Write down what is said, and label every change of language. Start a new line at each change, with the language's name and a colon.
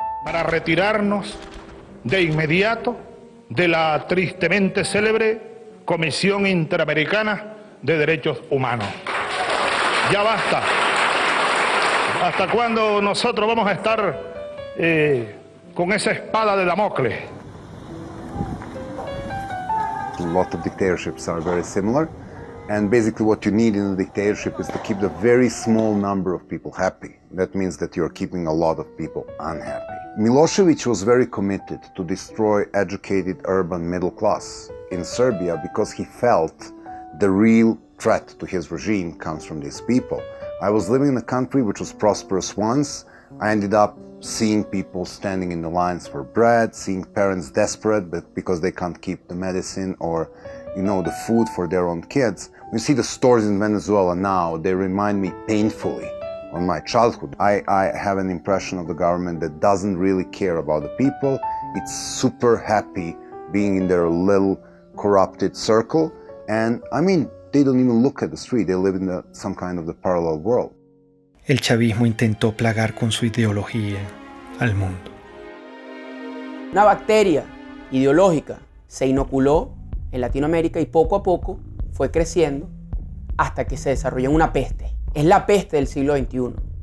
Spanish: para retirarnos de inmediato de la tristemente célebre Comisión Interamericana de Derechos Humanos. Ya basta. ¿Hasta cuándo nosotros vamos a estar con esa espada de Damocles?
English: A lot of dictatorships are very similar, and basically what you need in a dictatorship is to keep the very small number of people happy. That means that you're keeping a lot of people unhappy. Milosevic was very committed to destroy educated urban middle class in Serbia because he felt the real threat to his regime comes from these people. I was living in a country which was prosperous once. I ended up seeing people standing in the lines for bread, seeing parents desperate because they can't keep the medicine or, you know, the food for their own kids. You see the stores in Venezuela now, they remind me painfully of my childhood. I have an impression of the government that doesn't really care about the people. It's super happy being in their little corrupted circle. And I mean, they don't even look at the street, they live in some kind of the parallel world.
Spanish: El chavismo intentó plagar con su ideología al mundo. Una bacteria ideológica se inoculó en Latinoamérica y poco a poco fue creciendo hasta que se desarrolló una peste. Es la peste del siglo XXI.